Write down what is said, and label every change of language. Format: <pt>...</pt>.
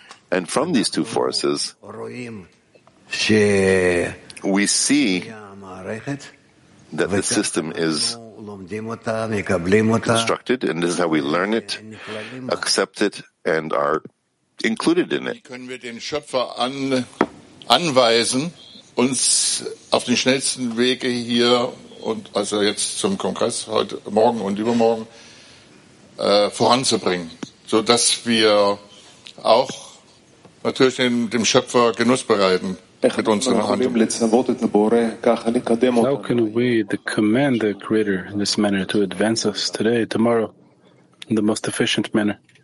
<en>And from these two forces, we see that the system is constructed, and this is how we learn it, accept it, and are included in it.</en> <de>Können wir den Schöpfer anweisen, uns auf den schnellsten Wege hier und also jetzt zum Kongress heute morgen und übermorgen voranzubringen, so dass wir auch natürlich dem Schöpfer Genuss bereiten mit unseren Handlungen.</de> <en>How can we command the Creator in this manner to advance us today, tomorrow, in the most efficient manner?</en>